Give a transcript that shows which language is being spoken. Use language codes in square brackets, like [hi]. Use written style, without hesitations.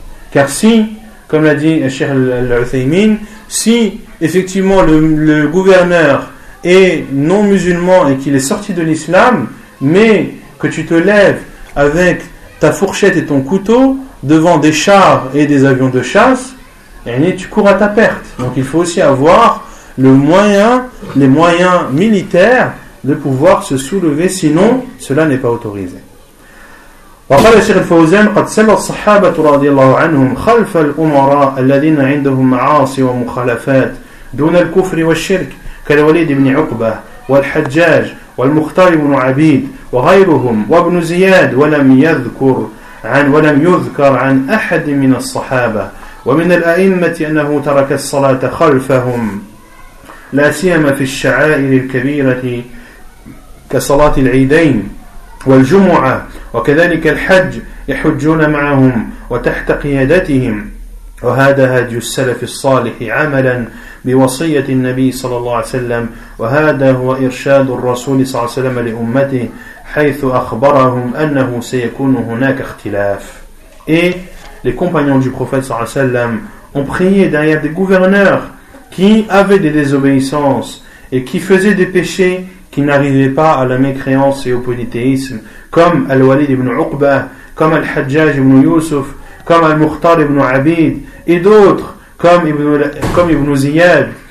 [fr] Car si, comme l'a dit Cheikh Al-Uthaymin, si effectivement le gouverneur est non musulman et qu'il est sorti de l'islam, mais que tu te lèves avec ta fourchette et ton couteau devant des chars et des avions de chasse, et tu cours à ta perte. Donc il faut aussi avoir les moyens militaires de pouvoir se soulever, sinon cela n'est pas autorisé. [ar] وقال الشيخ الفوزان قد سلى الصحابة رضي الله عنهم خلف الأمراء الذين عندهم معاصي ومخالفات دون الكفر والشرك كالوليد بن عقبة والحجاج والمختار بن عبيد وغيرهم وابن زياد ولم يذكر عن أحد من الصحابة ومن الأئمة أنه ترك الصلاة خلفهم لا سيما في الشعائر الكبيرة كصلاة العيدين والجمعة وكذلك الحج يحجون معهم وتحت قيادتهم وهذا هدي السلف الصالح عملا بوصية النبي صلى الله عليه وسلم وهذا هو إرشاد الرسول صلى الله عليه وسلم لأمته حيث أخبرهم أنه سيكون هناك اختلاف. [fr] Et les compagnons du prophète [ar] صلى الله عليه وسلم [fr] ont prié derrière des gouverneurs qui avaient des désobéissances et qui faisaient des péchés qui n'arrivaient pas à la mécréance et au polythéisme, comme Al-Walid ibn Uqba, comme Al-Hajjaj ibn Yusuf, comme Al-Mukhtar ibn Abid, et d'autres, comme Ibn Ziyad.